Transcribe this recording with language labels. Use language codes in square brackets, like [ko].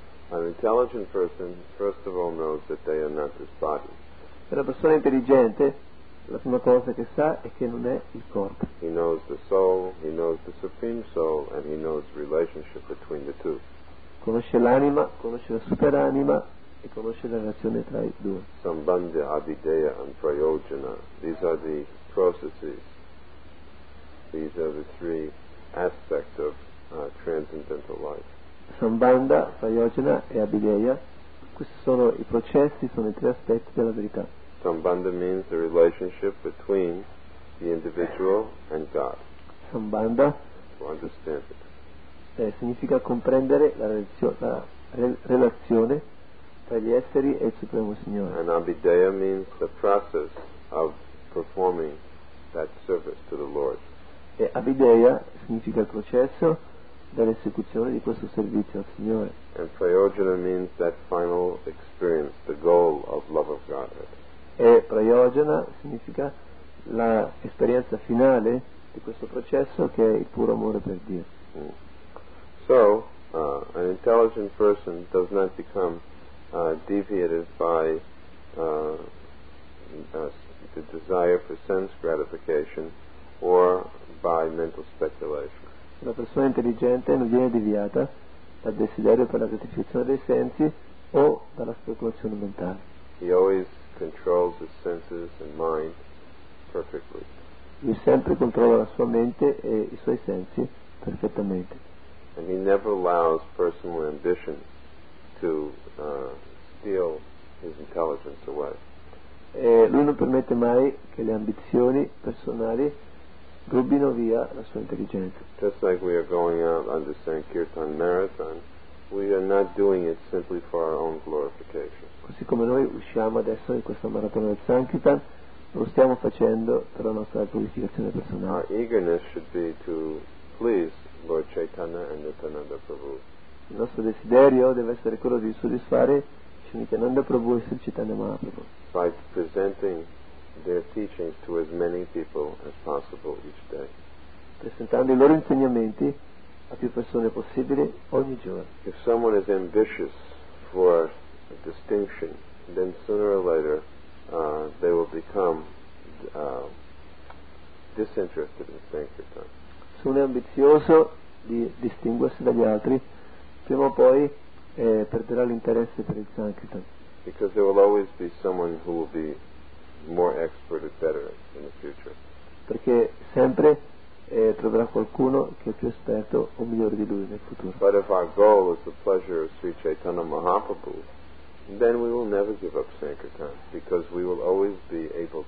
[en] An intelligent person first of all knows that they are not this body. [it] E la persona intelligente la prima cosa che sa è che non è il corpo. [en] He knows the soul, he knows the supreme soul, and he knows the relationship between the two. [it] Conosce l'anima, conosce la superanima e conosce la relazione tra i due. [en] Sambandha, abhideya and prayojana, these are the processes, these are the three aspects of transcendental life. [it] Sambandha, prayojana e abhideya, questi sono i processi, sono i tre aspetti della verità. [en] Sambandha means the relationship between the individual and God. [sa] Sambandha [en] to understand it. [it] Significa comprendere la relazione tra gli esseri e il Supremo Signore. [en] And abhideya means the process of performing that service to the Lord. [it] E abhideya significa il processo dell'esecuzione di questo servizio al Signore. [en] And prayojana means that final experience, the goal of love of Godhead. [it] E prayojana significa l'esperienza finale di questo processo che è il puro amore per Dio. [en] So, an intelligent person does not become deviated by the desire for sense gratification or by mental speculation. [it] Una persona intelligente non viene deviata dal desiderio per la gratificazione dei sensi o dalla speculazione mentale. [en] He always controls his senses and mind perfectly. [it] Lui sempre controlla la sua mente e i suoi sensi perfettamente. [en] And he never allows personal ambition to steal his intelligence away. [it] Lui non permette mai che le ambizioni personali rubino via la sua intelligenza. [en] Just like we are going out on the Sankirtan marathon, we are not doing it simply for our own glorification. [it] Così come noi usciamo adesso in questa maratona del Sankirtan, lo stiamo facendo per la nostra glorificazione personale. [en] Our eagerness should be to please Lord Chaitanya and Nityananda Prabhu. [it] Il nostro desiderio deve essere quello di soddisfare Nityananda Prabhu e Sri Chaitanya Mahaprabhu. [en] By presenting their teachings to as many people as possible each day. [it] Presentando i loro insegnamenti a più persone possibile ogni giorno. [en] If someone is ambitious for distinction, then sooner or later they will become disinterested in sankirtan. [it] Se uno è ambizioso di distinguersi dagli altri, prima o poi perderà l'interesse per il sankirtan. [en] Because there will always be someone who will be more expert or better in the future. [it] Perché sempre troverà qualcuno che è più esperto o migliore di lui nel futuro. [en] But if our goal is the pleasure of Sri Chaitanya Mahaprabhu, then we will never give up sankirtan, because we will always be a